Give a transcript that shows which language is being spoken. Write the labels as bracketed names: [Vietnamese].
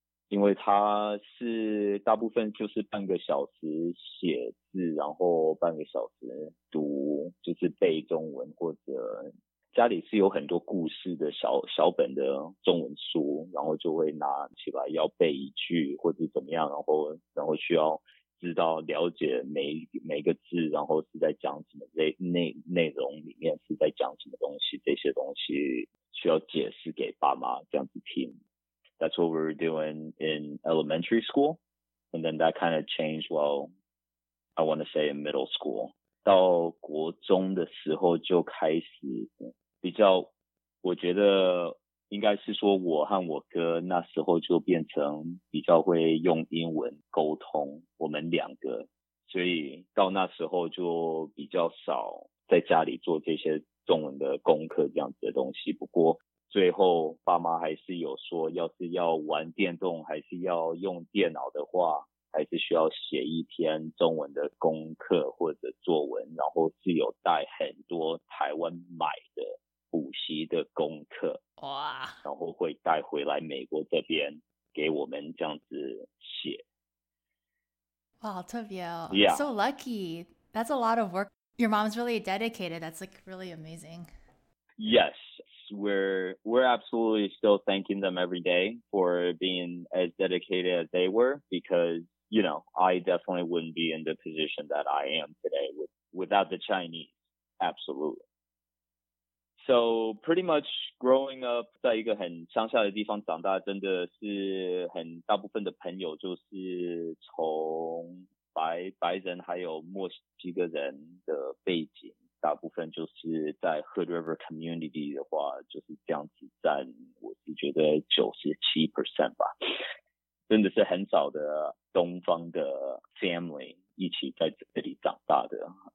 [Chinese] 因为他是大部分就是半个小时写字，然后半个小时读，就是背中文，或者家里是有很多故事的小本的中文书，然后就会拿起来要背一句或者怎么样，然后需要知道了解每个字，然后是在讲什么内容里面是在讲什么东西，这些东西需要解释给爸妈这样子听。 [English] That's what we were doing in elementary school. And then that kind of changed, well, I want to say in middle school. [Chinese] 到国中的时候就开始比较，我觉得应该是说我和我哥那时候就变成比较会用英文沟通，我们两个。所以到那时候就比较少在家里做这些中文的功课这样子的东西。不过最后爸妈还是有说，要是要玩电动还是要用电脑的话，还是需要写一篇中文的功课或者作文，然后是有带很多台湾买的补习的功课，哇，然后会带回来美国这边给我们这样子写。哇，好特别哦。 [English] Yeah. So lucky. That's a lot of work. Your mom's really dedicated. That's like really amazing. Yes. We're absolutely still thanking them every day for being as dedicated as they were, because, you know, I definitely wouldn't be in the position that I am today without the Chinese. Absolutely. So pretty much growing up [Chinese] 在一个很乡下的地方长大，真的是很大部分的朋友就是从白人还有墨西哥人的背景。大部分就是在 Hood River Community 的话就是这样子占，我是觉得 97% 吧，真的是很少的东方的 family 一起在这里长大的。